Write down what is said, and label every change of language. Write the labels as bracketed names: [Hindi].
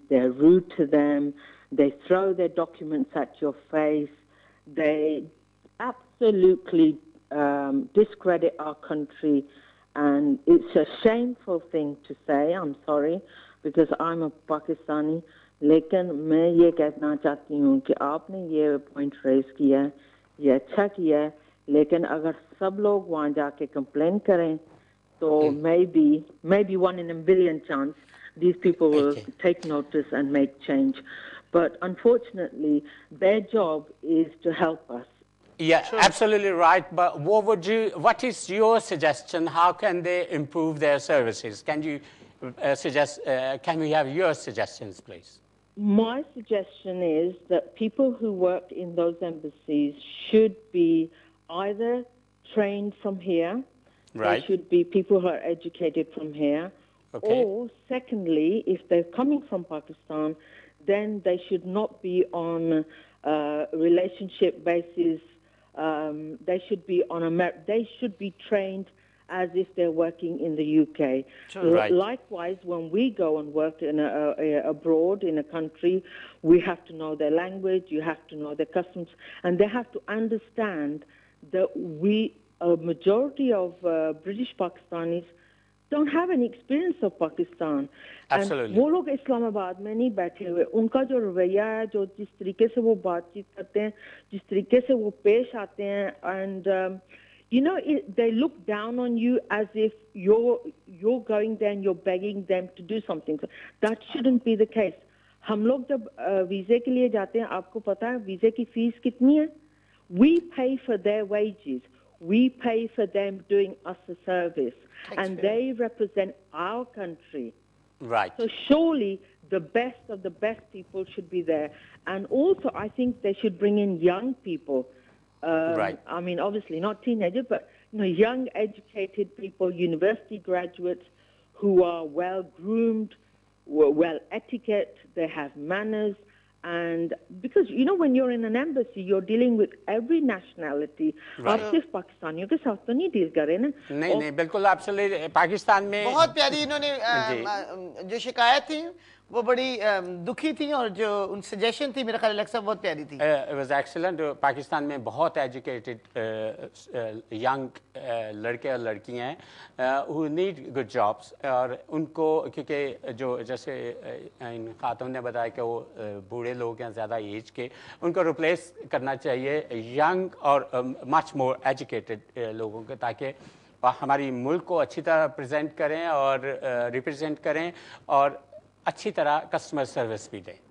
[English] They're rude to them. They throw their documents at your face. They absolutely discredit our country. And it's a shameful thing to say, I'm sorry, because I'm a Pakistani. [Hindi] लेकिन मैं ये कहना चाहती हूँ कि आपने ये point raise किया है, ये अच्छा किया है, लेकिन अगर सब लोग वहाँ जाके कंप्लेन करें तो [English] Maybe one in a billion chance these people will take notice and make change but unfortunately their job is to help us. Yeah, sure. Absolutely right. But what is your suggestion? How can they improve their services? Can you can we have your suggestions, please? My suggestion is that people who work in those embassies should be either trained from here. Right. They should be people who are educated from here. Okay. Or secondly, if they're coming from Pakistan, then they should not be on a relationship basis. They should be trained as if they're working in the UK. Right. Likewise, when we go and work in abroad in a country, we have to know their language, you have to know their customs, and they have to understand that a majority of British Pakistanis don't have any experience of Pakistan. Absolutely. [Hindi] And वो लोग इस्लामाबाद में नहीं बैठे हुए, उनका जो रवैया है, जो जिस तरीके से वो बातचीत करते हैं, जिस तरीके से वो पेश आते हैं, [English] and you know, they look down on you as if you're going there and you're begging them to do something. That shouldn't be the case. [Hindi] हम लोग जब वीजे के लिए जाते हैं, आपको पता है वीजे की फीस कितनी है? [English] We pay for their wages. We pay for them doing us a service. And they represent our country. Right. So surely the best of the best people should be there. And also I think they should bring in young people. I mean, obviously not teenagers, but you know, young educated people, university graduates who are well-groomed, well-etiquette, they have manners. And because, you know, when you're in an embassy, you're dealing with every nationality. Right. [Hindi] आप सिर्फ पाकिस्तानियों के साथ तो नहीं deal कर रहे ना? नहीं नहीं बिल्कुल आप सिर्फ पाकिस्तान में बहुत प्यारी इन्होंने जो शिकायत थी वो बड़ी दुखी थी और जो उन सजेशन थी मेरा ख्याल सब बहुत प्यारी थी. [English] It was excellent. [Hindi] पाकिस्तान में बहुत एजुकेटेड यंग लड़के और लड़कियाँ हैं [English] who need good jobs [Hindi] और उनको क्योंकि जो जैसे इन खातों ने बताया कि वो बूढ़े लोग हैं ज़्यादा एज के उनको रिप्लेस करना चाहिए यंग और मच मोर एजुकेटेड लोगों के ताकि हमारी मुल्क को अच्छी तरह प्रजेंट करें और रिप्रजेंट करें और अच्छी तरह कस्टमर सर्विस भी दें.